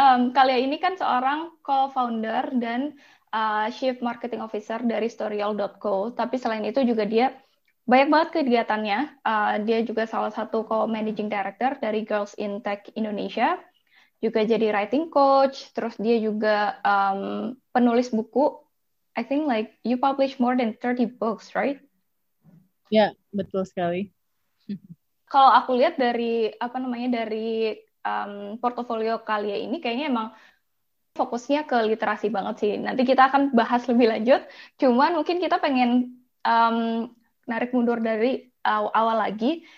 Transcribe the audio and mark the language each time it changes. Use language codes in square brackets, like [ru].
[id] Kalia ini kan seorang co-founder dan chief marketing officer dari Storyal.co, tapi selain itu juga dia banyak banget kegiatannya. Dia juga salah satu co-managing director dari Girls in Tech Indonesia, juga jadi writing coach, terus dia juga penulis buku. [en] I think like you publish more than 30 books, right? [id] Ya, betul sekali. Kalau aku lihat dari apa namanya dari portofolio kalian ini kayaknya emang fokusnya ke literasi banget sih. Nanti kita akan bahas lebih lanjut. Cuman mungkin kita pengen narik mundur dari awal lagi.